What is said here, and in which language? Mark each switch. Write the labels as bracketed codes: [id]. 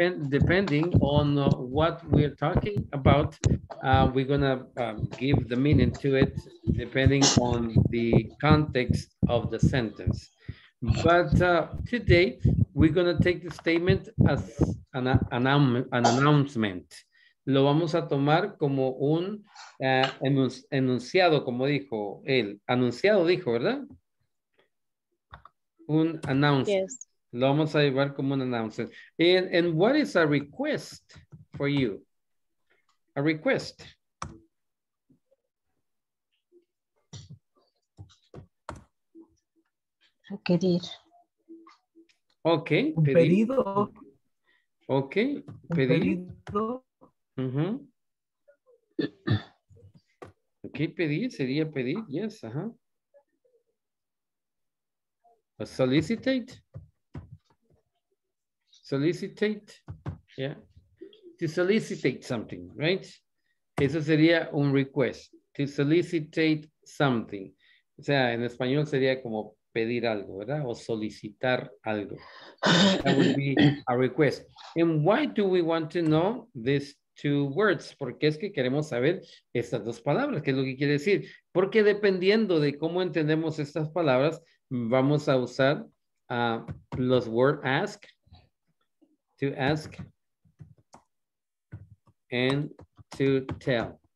[en] Depending on what we're talking about, we're going to give the meaning to it depending on the context of the sentence. But today, we're going to take the statement as an announcement. [es] Lo vamos a tomar como un enunciado, como dijo él. Anunciado dijo, ¿verdad? Un announcement. [en] Yes. [es] Lo vamos a llevar como un announcement. [en] And what is a request for you? A request. [es] Requerir. [en] Okay. [es] Pedido. [en] Okay. [es] Pedido. Uh-huh. Okay, pedir sería pedir. [en] Yes, [es] ajá. [en] A solicitate. Solicitate. Yeah. To solicitate something, right? [es] Eso sería un request. [en] To solicitate something. [es] O sea, en español sería como pedir algo, ¿verdad? O solicitar algo. [en] That would be a request. And why do we want to know these two words? [es] Porque es que queremos saber estas dos palabras. ¿Qué es lo que quiere decir? Porque dependiendo de cómo entendemos estas palabras, vamos a usar los word ask, [en] to ask, and to tell.